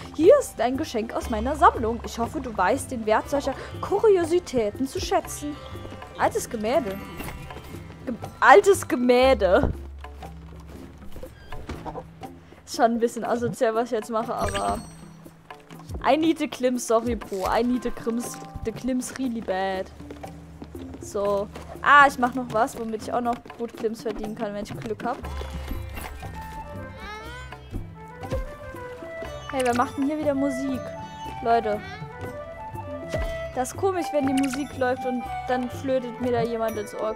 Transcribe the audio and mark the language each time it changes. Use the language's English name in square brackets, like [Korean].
[German] Hier ist ein Geschenk aus meiner Sammlung. Ich hoffe, du weißt den Wert solcher Kuriositäten zu schätzen. Altes Gemälde. Altes Gemälde. Ist schon ein bisschen asozial, was ich jetzt mache, aber... [English] I need the Klims, sorry, Bro. I need the Klims really bad. [German] So. Ah, ich mache noch was, womit ich auch noch gut Klims verdienen kann, wenn ich Glück habe. Hey, wer macht denn hier wieder Musik? Leute. Das ist komisch, wenn die Musik läuft und dann flötet mir da jemand ins Ohr.